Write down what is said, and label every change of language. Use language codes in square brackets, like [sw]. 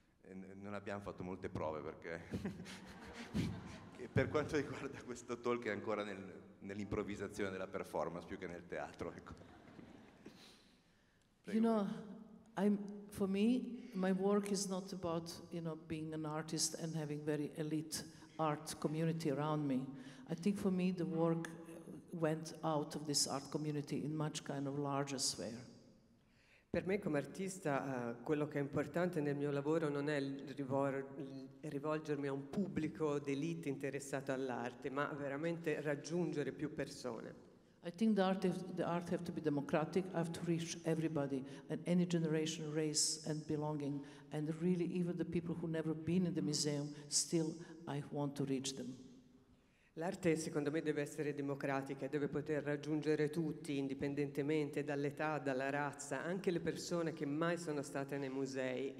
[it] Non abbiamo fatto molte prove perché per quanto riguarda questo talk è ancora nell'improvvisazione della performance più che nel teatro, ecco. [en] You know, for me my work is not about, you know, being an artist and having very elite art community around me. I think for me the work went out of this art community in much kind of larger sphere. [it] Per me come artista quello che è importante nel mio lavoro non è rivolgermi a un pubblico d'elite interessato all'arte, ma veramente raggiungere più persone. [en] I think the art have to be democratic, have to reach everybody and any generation, race and belonging, and really even the people who never been in the museum, still I want to reach them. [it] L'arte secondo me deve essere democratica e deve poter raggiungere tutti, indipendentemente dall'età, dalla razza, anche le persone che mai sono state nei musei.